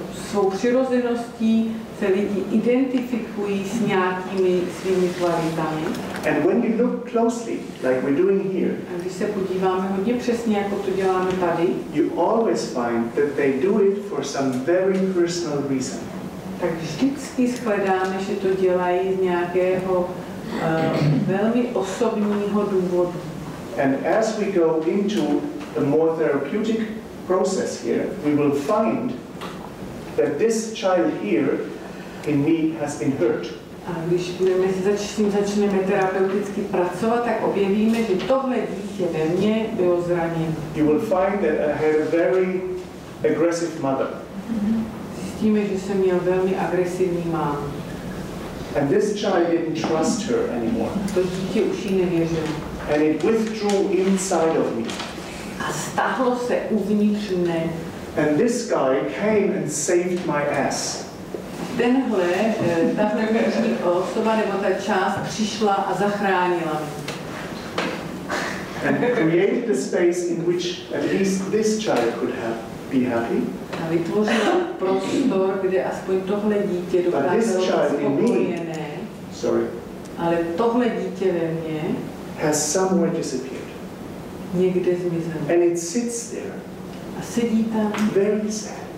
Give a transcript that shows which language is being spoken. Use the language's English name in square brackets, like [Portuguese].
[Czech] Svou přirozeností se lidi identifikují s nějakými svými kvalitami. [English] And when you look closely, like we're doing here, [Czech] a když se podíváme hodně přesně, jako to děláme tady, [English] you always find that they do it for some very personal reason. [Czech] Tak vždycky shledáme, že to dělají z nějakého velmi osobního důvodu. [English] And as we go into the more therapeutic process here, we will find that this child here in me has been hurt. [Czech] A když začneme terapeuticky pracovat, tak objevíme, že tohle dítě ve mně bylo zraněno. [English] You will find that I had a very aggressive mother. [Czech] Zjistíme, že jsem měl velmi agresivní mámu. [English] And this child didn't trust her anymore. [Czech] To dítě už jí nevěřilo. [English] And it withdrew inside of me. [Czech] A stáhlo se uvnitř mne. [English] And this guy came and saved my ass. [Czech] Tenhle, tahle vnitřní osoba nebo ta část přišla a zachránila mě. [English] And created a space in which at least this child could have be happy. [Czech] A vytvořila prostor, kde aspoň tohle dítě dokázalo být spokojené. [English] Sorry. [Czech] Ale tohle dítě ve mně [English] has somewhere disappeared. [Czech] Někde zmizelo. [English] And it sits there. [Czech] A sedí tam. [English] Very sad.